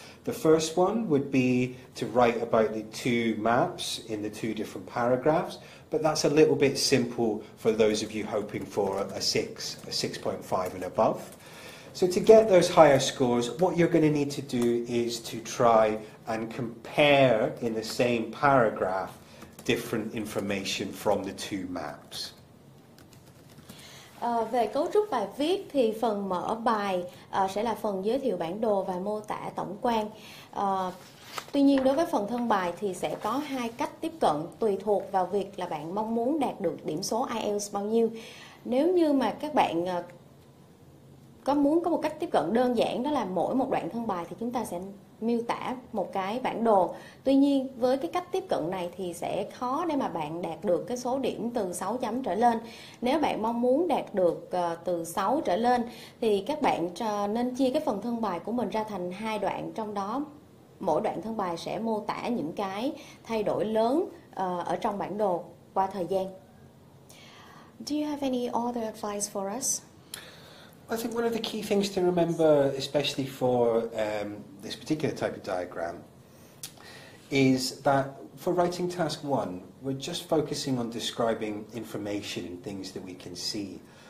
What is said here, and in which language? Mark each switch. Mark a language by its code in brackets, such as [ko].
[en] The first one would be to write about the two maps in the two different paragraphs, but that's a little bit simple for those of you hoping for a 6, a 6.5 and above. So to get those higher scores, what you're going to need to do is to try and compare in the same paragraph different information from the two maps. [vi] Về cấu trúc bài viết thì phần mở bài sẽ là phần giới thiệu bản đồ và mô tả tổng quan. Tuy nhiên đối với phần thân bài thì sẽ có hai cách tiếp cận tùy thuộc vào việc là bạn mong muốn đạt được điểm số IELTS bao nhiêu. Nếu như mà các bạn có một cách tiếp cận đơn giản, đó là mỗi một đoạn thân bài thì chúng ta sẽ miêu tả một cái bản đồ. Tuy nhiên với cái cách tiếp cận này thì sẽ khó để mà bạn đạt được cái số điểm từ 6 chấm trở lên. Nếu bạn mong muốn đạt được từ 6 trở lên thì các bạn nên chia cái phần thân bài của mình ra thành hai đoạn, trong đó mỗi đoạn thân bài sẽ mô tả những cái thay đổi lớn ở trong bản đồ qua thời gian. [en] Do you have any other advice for us? I think one of the key things to remember, especially for this particular type of diagram, is that for writing task one, we're just focusing on describing information and things that we can see.